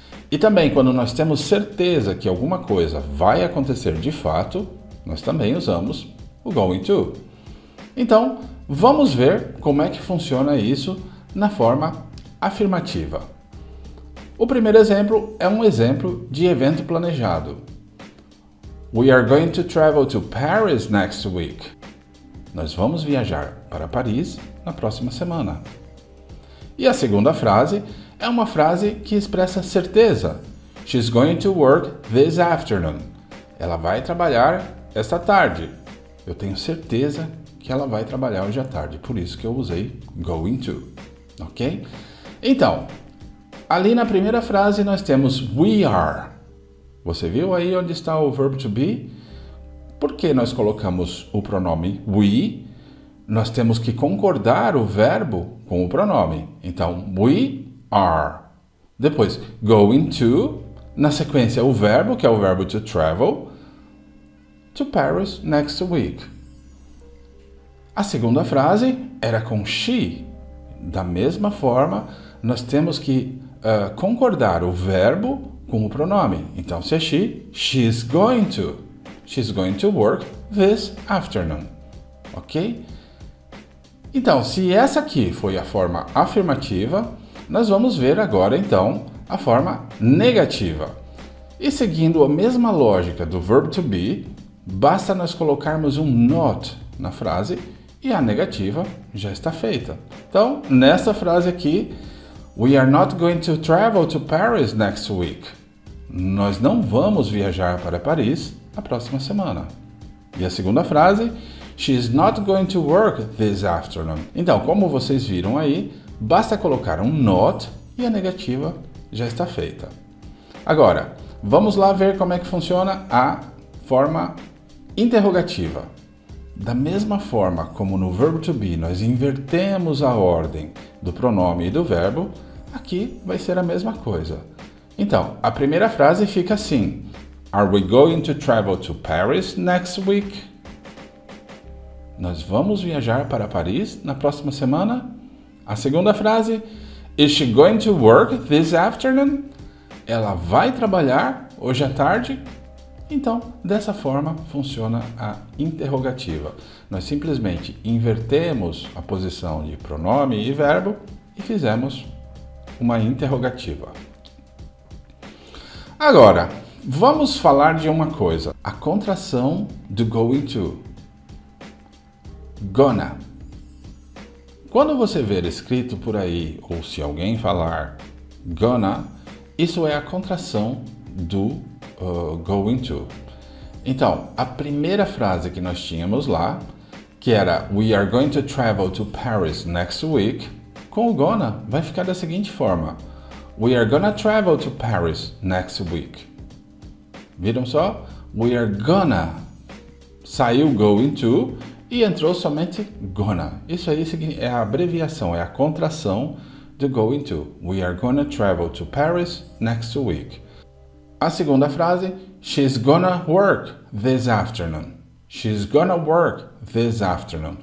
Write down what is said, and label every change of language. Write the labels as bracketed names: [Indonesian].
[Portuguese] E também, quando nós temos certeza que alguma coisa vai acontecer de fato, nós também usamos o Going To. Então, vamos ver como é que funciona isso na forma afirmativa. O primeiro exemplo é um exemplo de evento planejado. [English] We are going to travel to Paris next week. [Portuguese] Nós vamos viajar para Paris na próxima semana. E a segunda frase é uma frase que expressa certeza. [English] She's going to work this afternoon. [Portuguese] Ela vai trabalhar esta tarde. Eu tenho certeza que ela vai trabalhar hoje à tarde. Por isso que eu usei going to. Ok? Então, ali na primeira frase nós temos we are. Você viu aí onde está o Verb To Be? Por que nós colocamos o pronome we? Nós temos que concordar o verbo com o pronome. [English] Então, we are. Depois, going to. [Portuguese] Na sequência, o verbo, que é o verbo to travel. [English] To Paris next week. [Portuguese] A segunda frase era com she. Da mesma forma, nós temos que concordar o verbo com o pronome. [English] Então, se é she, she's going to. She's going to work this afternoon. Ok? [Portuguese] Então, se essa aqui foi a forma afirmativa, nós vamos ver agora, então, a forma negativa. E seguindo a mesma lógica do verb to be, basta nós colocarmos um not na frase e a negativa já está feita. Então, nessa frase aqui, [English] we are not going to travel to Paris next week. [Portuguese] Nós não vamos viajar para Paris na próxima semana. E a segunda frase, [English] she's not going to work this afternoon. [Portuguese] Então, como vocês viram aí, basta colocar um not e a negativa já está feita. Agora, vamos lá ver como é que funciona a forma interrogativa. Da mesma forma como no verbo to be nós invertemos a ordem do pronome e do verbo, aqui vai ser a mesma coisa. Então, a primeira frase fica assim. [English] Are we going to travel to Paris next week? [Portuguese] Nós vamos viajar para Paris na próxima semana? A segunda frase. [English] Is she going to work this afternoon? [Portuguese] Ela vai trabalhar hoje à tarde? Então, dessa forma funciona a interrogativa. Nós simplesmente invertemos a posição de pronome e verbo e fizemos uma interrogativa. Agora, vamos falar de uma coisa. A contração do going to. Gonna. Quando você ver escrito por aí, ou se alguém falar gonna, isso é a contração do going to. Então, a primeira frase que nós tínhamos lá, que era [English] we are going to travel to Paris next week, [Portuguese] com o gonna vai ficar da seguinte forma. [English] We are gonna travel to Paris next week. [Portuguese] Viram só? [English] We are gonna. [Portuguese] Saiu going to e entrou somente gonna. Isso aí é a abreviação, é a contração do going to. [English] We are gonna travel to Paris next week. [Portuguese] A segunda frase, [English] she's gonna work this afternoon. She's gonna work this afternoon.